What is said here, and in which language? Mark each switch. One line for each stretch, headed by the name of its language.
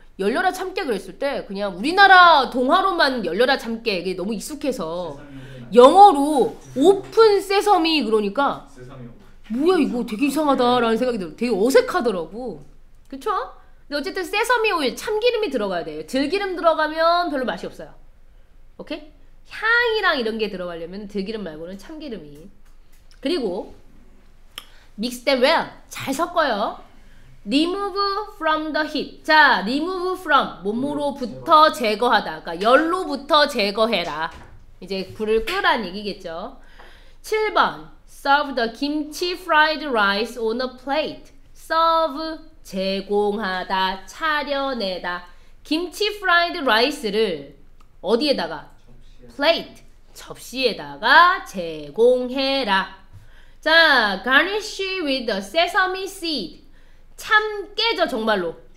Korean: 열려라 참깨 그랬을 때 그냥 우리나라 동화로만 열려라 참깨 이게 너무 익숙해서 영어로 오픈 세서미 그러니까 뭐야 이거 되게 이상하다라는 생각이 들어. 되게 어색하더라고. 그쵸? 근데 어쨌든 세서미 오일 참기름이 들어가야 돼요. 들기름 들어가면 별로 맛이 없어요. 오케이? 향이랑 이런 게 들어가려면 들기름 말고는 참기름이.
English: 그리고 mix them well.
Korean: 잘 섞어요. remove from the heat. 자, remove from 몸으로부터 제거하다. 그러니까 열로부터 제거해라. 이제 불을 끄란 얘기겠죠.
English: 7번 serve the 김치 fried rice on a plate.
Korean: serve 제공하다 차려내다. 김치 fried rice를 어디에다가? plate 접시에다가 제공해라.
English: 자, garnish with the sesame seed. 참깨죠, 정말로.